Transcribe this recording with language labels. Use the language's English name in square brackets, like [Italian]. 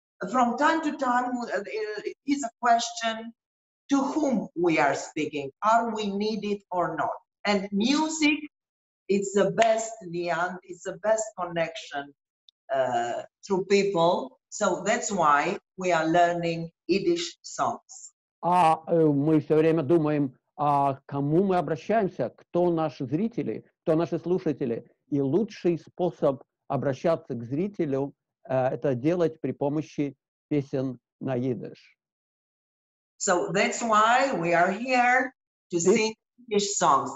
[English] From time to time, it is a question to whom we are speaking. Are we needed or not? And music, it's the best liant, it's the best connection through people. So that's why we are learning Yiddish songs. [Russian] Мы все время думаем, а кому мы обращаемся? Кто наши зрители? Кто наши слушатели? И лучший способ обращаться к зрителю это делать при помощи песен на Yiddish. [English] So that's why we are here to sing Yiddish songs.